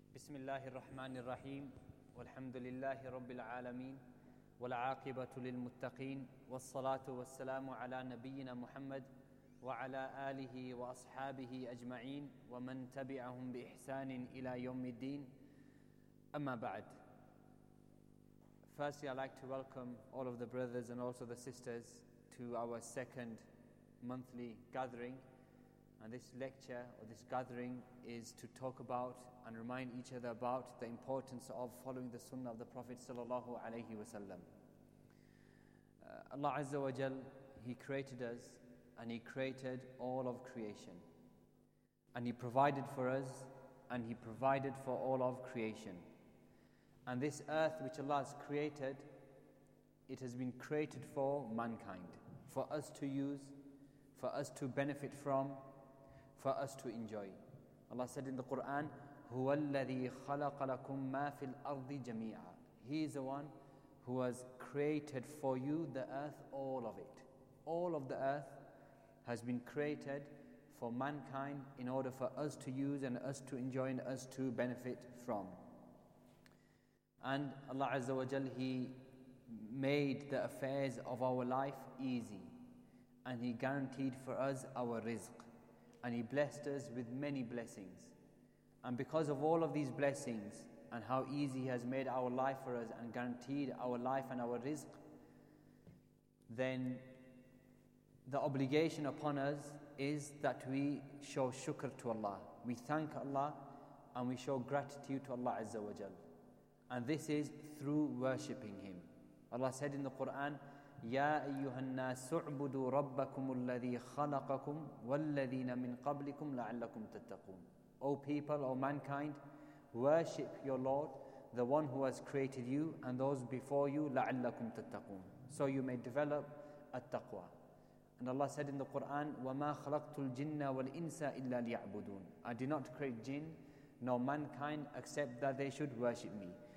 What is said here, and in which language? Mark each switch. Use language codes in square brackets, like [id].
[ar] بسم الله الرحمن الرحيم والحمد لله رب العالمين والعاقبة للمتقين والصلاة والسلام على نبينا محمد وعلى آله وأصحابه أجمعين ومن تبعهم بإحسان إلى يوم الدين أما بعد. [en] Firstly, I'd like to welcome all of the brothers and also the sisters to our second monthly gathering. And this lecture or this gathering is to talk about and remind each other about the importance of following the sunnah of the Prophet sallallahu alaihi wasallam. Allah azza wa jal, He created us and He created all of creation. And He provided for us and He provided for all of creation. And this earth which Allah has created, it has been created for mankind, for us to use, for us to benefit from, for us to enjoy. Allah said in the Quran, [ar] هُوَ الَّذِي خَلَقَ لَكُم مَّا فِي الْأَرْضِ جَمِيعًا. [en] He is the one who has created for you the earth, all of it. All of the earth has been created for mankind in order for us to use and us to enjoy and us to benefit from. And Allah Azza wa Jal, He made the affairs of our life easy. And He guaranteed for us our rizq. And He blessed us with many blessings. And because of all of these blessings, and how easy He has made our life for us, and guaranteed our life and our rizq, then the obligation upon us is that we show shukr to Allah. We thank Allah, and we show gratitude to Allah Azza wa Jal. And this is through worshipping Him. Allah said in the Quran, [ar] يَا أَيُّهَا النَّاسُ اعْبُدُوا رَبَّكُمُ الَّذِي خَلَقَكُمْ وَالَّذِينَ مِنْ قَبْلِكُمْ لَعَلَّكُمْ تَتَّقُونَ. [en] O people, O mankind, worship your Lord, the one who has created you and those before you, [ar] لَعَلَّكُمْ تَتَّقُونَ. [en] So you may develop at-taqwa. And Allah said in the Quran, [ar] وَمَا خَلَقْتُ الْجِنَّ وَالْإِنسَ إِلَّا لِيَعْبُدُونَ. [en] I did not create jinn nor mankind except that they should worship me.